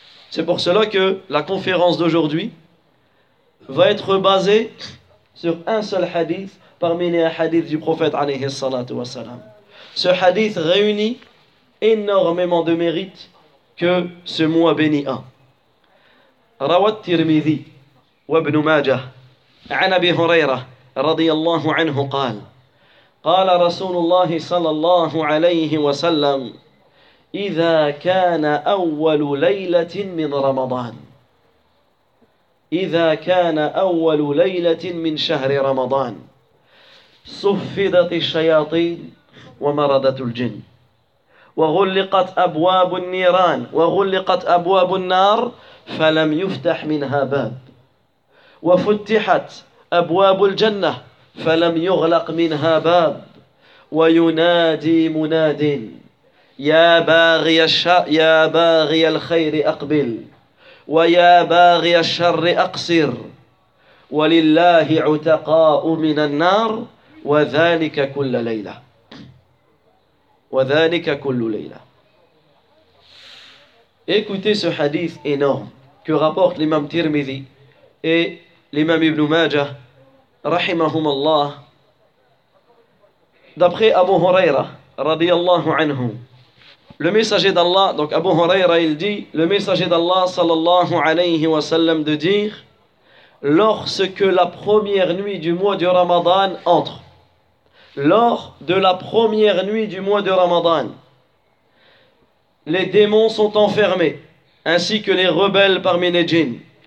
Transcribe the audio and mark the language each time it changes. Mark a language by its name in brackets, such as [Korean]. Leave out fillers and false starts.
[French] C'est pour cela que la conférence d'aujourd'hui va être basée sur un seul hadith parmi les hadiths du prophète alayhi salatu wa salam. Ce hadith réunit énormément de mérites que ce mois béni a. [Arabic] Rawat Tirmidhi wa ibn Majah an Abi Hurayra radiyallahu anhu qala Rasulullah sallallahu alayhi wa sallam idha kana awwalu laylatin min Ramadan idha kana awwalu laylatin min shahri Ramadan صفدت الشياطين ومردت الجن وغلقت أبواب النيران وغلقت أبواب النار فلم يفتح منها باب وفتحت أبواب الجنة فلم يغلق منها باب وينادي مناد يا باغي الخير أقبل ويا باغي الشر أقصر ولله عتقاء من النار وَذَٰلِكَ كُلَّ لَيْلَةٍ وَذَٰلِكَ كُلُّ لَيْلَةٍ. [French] Écoutez ce hadith énorme que rapporte l'imam Tirmidhi et l'imam Ibn Majah [Arabic] رحمهم الله. [French] D'après Abu Huraira radiyallahu anhu, le messager d'Allah, donc Abu Huraira, il dit le messager d'Allah sallallahu alayhi wa sallam de dire: lorsque la première nuit du mois du Ramadan entre, lors de la première nuit du mois de Ramadan, les démons sont enfermés, ainsi que les rebelles parmi les djinns.